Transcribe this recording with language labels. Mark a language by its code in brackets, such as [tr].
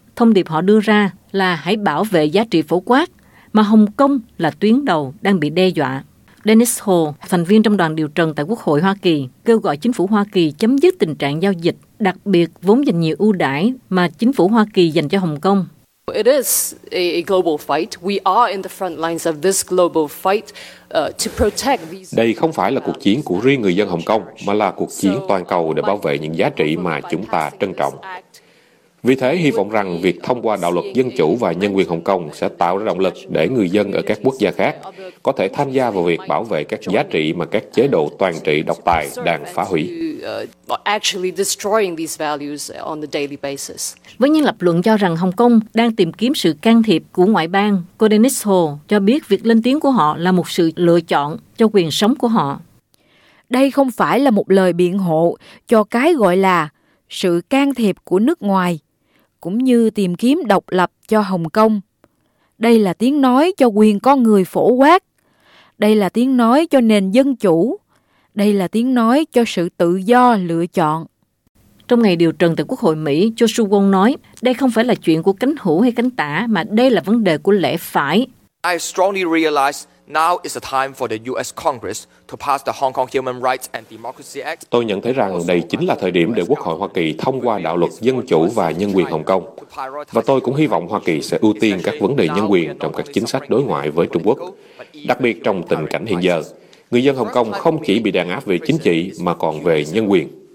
[vi] Thông điệp họ đưa ra là hãy bảo vệ giá trị phổ quát, mà Hồng Kông là tuyến đầu đang bị đe dọa. Dennis Ho, thành viên trong đoàn điều trần tại Quốc hội Hoa Kỳ, kêu gọi chính phủ Hoa Kỳ chấm dứt tình trạng giao dịch, đặc biệt vốn dành nhiều ưu đãi mà chính phủ Hoa Kỳ dành cho Hồng Kông. [en] It is a global fight. We are in the front lines of this global fight to protect these. [vi] Đây không phải là cuộc chiến của riêng người dân Hồng Kông mà là cuộc chiến toàn cầu để bảo vệ những giá trị mà chúng ta trân trọng. Vì thế hy vọng rằng việc thông qua đạo luật dân chủ và nhân quyền Hồng Kông sẽ tạo ra động lực để người dân ở các quốc gia khác có thể tham gia vào việc bảo vệ các giá trị mà các chế độ toàn trị độc tài đang phá hủy. [en] Actually destroying these values on the daily basis. [vi] Với những lập luận cho rằng Hồng Kông đang tìm kiếm sự can thiệp của ngoại bang, cô Dennis Ho cho biết việc lên tiếng của họ là một sự lựa chọn cho quyền sống của họ. Đây không phải là một lời biện hộ cho cái gọi là sự can thiệp của nước ngoài, cũng như tìm kiếm độc lập cho Hồng Kông. Đây là tiếng nói cho quyền con người phổ quát. Đây là tiếng nói cho nền dân chủ. Đây là tiếng nói cho sự tự do lựa chọn. Trong ngày điều trần tại Quốc hội Mỹ, Joshua Wong nói, đây không phải là chuyện của cánh hữu hay cánh tả, mà đây là vấn đề của lẽ phải. [en] I strongly realize now is the time for the US Congress to pass the Hong Kong Human Rights and Democracy Act. [vi] Tôi nhận thấy rằng đây chính là thời điểm để Quốc hội Hoa Kỳ thông qua đạo luật dân chủ và nhân quyền Hồng Kông. Và tôi cũng hy vọng Hoa Kỳ sẽ ưu tiên các vấn đề nhân quyền trong các chính sách đối ngoại với Trung Quốc, đặc biệt trong tình cảnh hiện giờ. Người dân Hồng Kông không chỉ bị đàn áp về chính trị mà còn về nhân quyền.